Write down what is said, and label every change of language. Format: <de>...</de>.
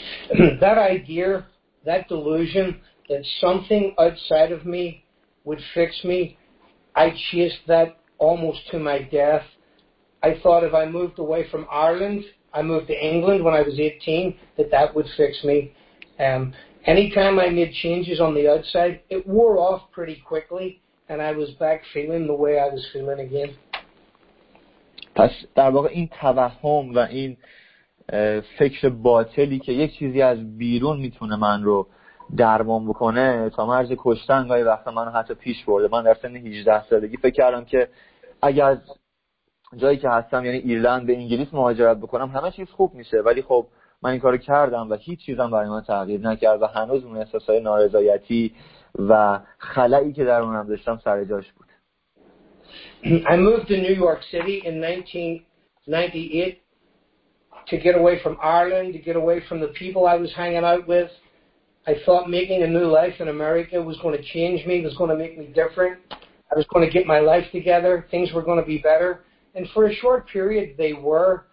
<en>That idea, that delusion that something outside of me would fix me, I chased that almost to my death. I thought if I moved away from Ireland, I moved to England when I was 18, that would fix me. Anytime I made changes on the outside, it wore off pretty quickly, and I was back feeling the way I was feeling again.</en> <fa>پس در واقع این توهم و این فکر باطلی که یک چیزی از بیرون میتونه من رو درمان بکنه، تا مرز کشتن گاهی وقتا منو حتی پیش برده. من در سن 18 سالگی فکر کردم که اگر از جایی که هستم، یعنی ایرلند، به انگلیس مهاجرت بکنم، همه چیز خوب میشه، ولی خب من این کارو کردم و هیچ چیزم برای من تغییر نکرد و هنوز اون احساسای نارضایتی و خلایی که درونم داشتم سر جاش بود.</fa> <en>I moved to New York City in 1998 to get away from Ireland, to get away from the people I was hanging out with. I thought making a new life in America was going to change me, was going to make me different. I was going to get my life together, things were going to be better. And for a short period they were.</en>